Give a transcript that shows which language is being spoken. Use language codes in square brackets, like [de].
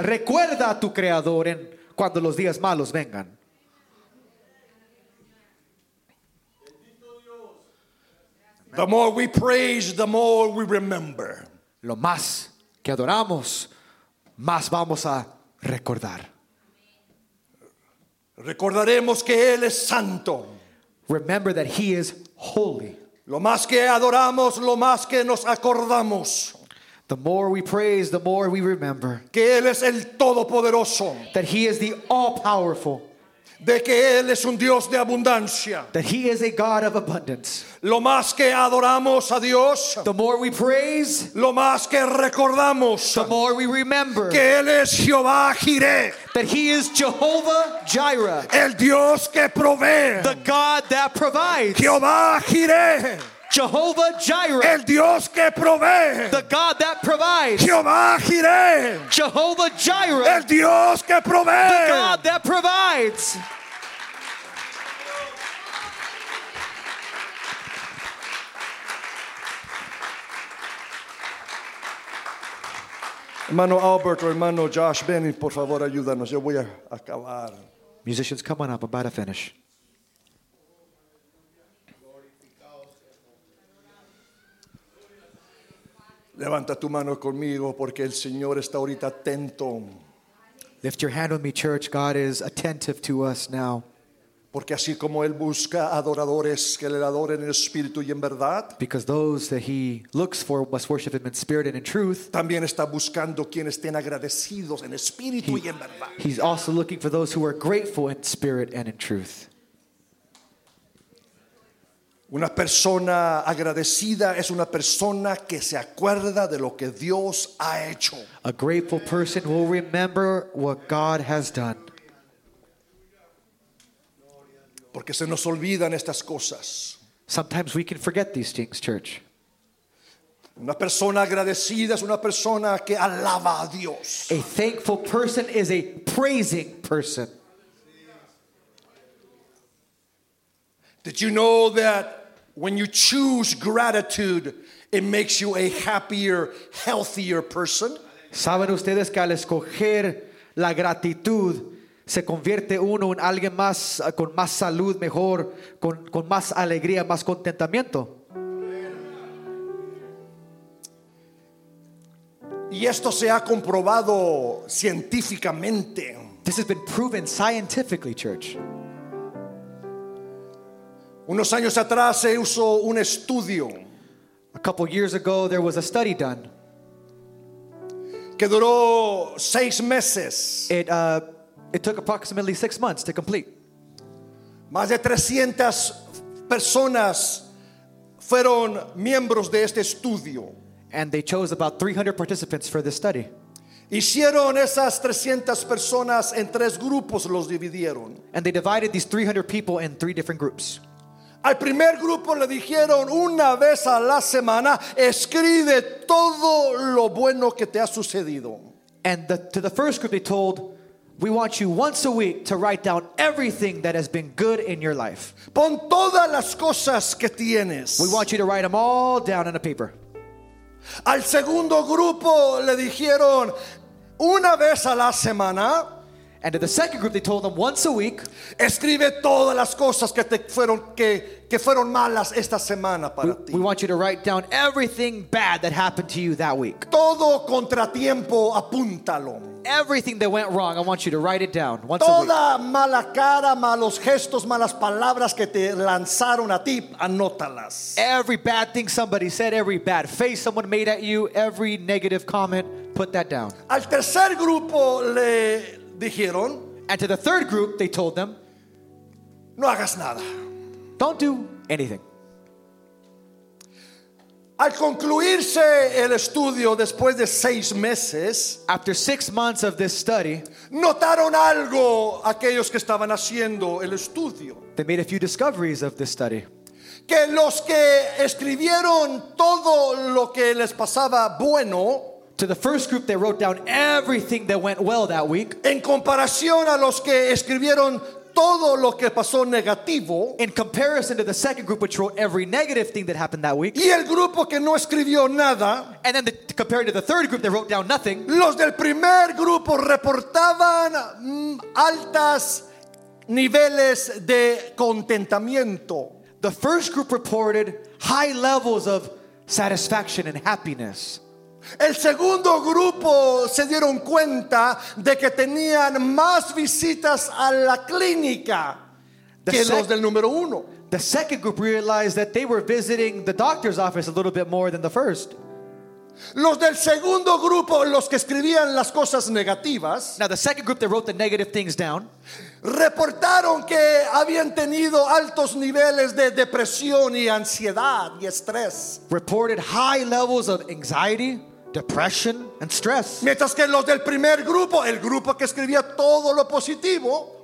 [es] Recuerda a tu Creador cuando los días malos vengan. [en] The more we praise, the more we remember. [es] Lo más que adoramos, más vamos a recordar. Recordaremos que Él es santo. [en] Remember that He is holy. [es] Lo más que adoramos, lo más que nos acordamos. [en] The more we praise, the more we remember. [es] Que Él es el Todopoderoso. [en] That He is the All-Powerful. [es] De que Él es un Dios de abundancia. [en] That He is a God of abundance. [es] Lo más que adoramos a Dios. [en] The more we praise. [es] Lo más que recordamos. [en] The more we remember. [es] Que Él es Jehová Jireh. [en] That He is Jehovah Jireh. [es] El Dios que provee. [en] The God that provides. [es] Jehová Jireh. [en] Jehovah Jireh. [es] El Dios que provee. [en] The God that provides. [es] Jehová Jireh. [en] Jehovah Jireh. [es] El Dios que provee. [en] The God that provides. [es] Hermano Albert o hermano Josh, ven y por favor ayúdanos. Yo voy a acabar. [en] Musicians, come on up. I'm about to finish. [es] Levanta tu mano conmigo porque el Señor está ahorita atento. [en] Lift your hand with me, church. God is attentive to us now. [es] Porque así como Él busca adoradores que le adoren en espíritu y en verdad. [en] Because those that He looks for must worship Him in spirit and in truth. [es] También está buscando quienes estén agradecidos en espíritu y en verdad. [en] He's also looking for those who are grateful in spirit and in truth. [es] Una persona agradecida es una persona que se acuerda de lo que Dios ha hecho. [en] A grateful person will remember what God has done. [es] Porque se nos olvidan estas cosas. [en] Sometimes we can forget these things, church. [es] Una persona agradecida es una persona que alaba a Dios. [en] A thankful person is a praising person. Did you know that when you choose gratitude, it makes you a happier, healthier person? [es] ¿Saben ustedes que al escoger la gratitud se convierte uno en alguien más con más salud, mejor, con más alegría, más contentamiento? Y esto se ha comprobado científicamente. [en] This has been proven scientifically, church. [es] Unos años atrás se usó un estudio. [en] A couple years ago there was a study done. [es] Que duró 6 meses. [en] It took approximately 6 months to complete. [es] Más de 300 personas fueron miembros de este estudio. [en] And they chose about 300 participants for this study. [es] Hicieron esas 300 personas en tres grupos, los dividieron. [en] And they divided these 300 people in 3 different groups. [es] Al primer grupo le dijeron una vez a la semana, escribe todo lo bueno que te ha sucedido. [en] And to the first group they told, we want you once a week to write down everything that has been good in your life. [es] Pon todas las cosas que tienes. [en] We want you to write them all down on a paper. [es] Al segundo grupo le dijeron una vez a la semana, [en] And to the second group, they told them once a week, [es] escribe todas las cosas que te fueron que fueron malas esta semana para ti. [en] We want you to write down everything bad that happened to you that week. [es] Todo contratiempo, apúntalo. [en] Everything that went wrong, I want you to write it down once [es] toda [en] a week. [es] Toda mala cara, malos gestos, malas palabras que te lanzaron a ti, anótalas. [en] Every bad thing somebody said, every bad face someone made at you, every negative comment, put that down. [es] Al tercer grupo le dijeron, [en] and to the third group, they told them, [es] no hagas nada. [en] Don't do anything. [es] Al concluirse el estudio después de seis meses, [en] after 6 months of this study, [es] notaron algo aquellos que estaban haciendo el estudio. [en] They made a few discoveries of this study. [es] Que los que escribieron todo lo que les pasaba bueno, [en] to the first group they wrote down everything that went well that week, [es] en comparación a los que escribieron todo lo que pasó negativo, [en] in comparison to the second group which wrote every negative thing that happened that week, [es] y el grupo que no escribió nada, [en] and then compared to the third group they wrote down nothing, [es] los del primer grupo reportaban altas niveles de contentamiento. [en] The first group reported high levels of satisfaction and happiness. [es] El segundo grupo se dieron cuenta de que tenían más visitas a la clínica que los del número uno. [en] The second group realized that they were visiting the doctor's office a little bit more than the first. [es] Los del segundo grupo, los que escribían las cosas negativas, [en] now the second group that wrote the negative things down, [es] reportaron que habían tenido altos niveles de depresión y ansiedad y estrés. [en] Reported high levels of anxiety, depression, and stress. [es] Mientras que los del primer grupo, el grupo que escribía todo lo positivo,